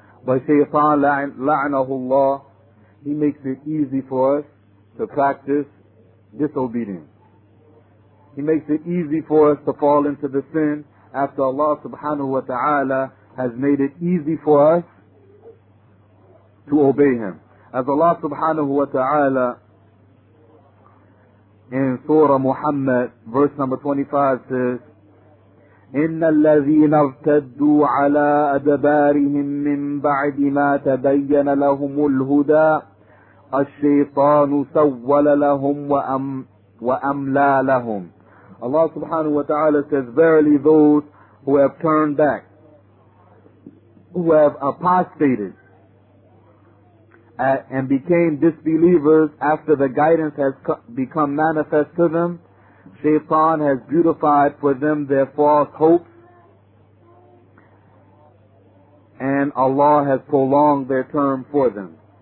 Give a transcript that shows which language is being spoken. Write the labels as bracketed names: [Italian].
[English] But shaytan, la'anahullah, he makes it easy for us to practice disobedience. He makes it easy for us to fall into the sin after Allah subhanahu wa ta'ala has made it easy for us to obey Him. As Allah subhanahu wa ta'ala in Surah Muhammad, verse number 25 says, [Arabic] إِنَّ الَّذِينَ ارْتَدُّوا عَلَىٰ أَدَبَارِهِمْ مِنْ بَعْدِ مَا تَبَيَّنَ لَهُمُ الْهُدَىٰ الشَّيْطَانُ سَوَّلَ لَهُمْ وَأَمْلَىٰ لَهُمْ. [English] Allah subhanahu wa ta'ala says, verily those who have turned back, who have apostated and became disbelievers after the guidance has become manifest to them, shaitan has beautified for them their false hopes, and Allah has prolonged their term for them.